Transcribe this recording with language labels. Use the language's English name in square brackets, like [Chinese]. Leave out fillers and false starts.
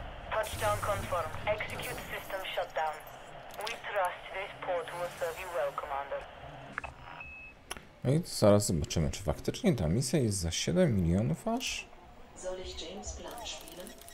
[English] Touchdown confirmed. Execute system shutdown. We trust this port will serve you well, Commander. [Polish] No i zaraz zobaczymy, czy faktycznie ta misja jest za 7 milionów aż? [German] Soll ich James Blunt spielen?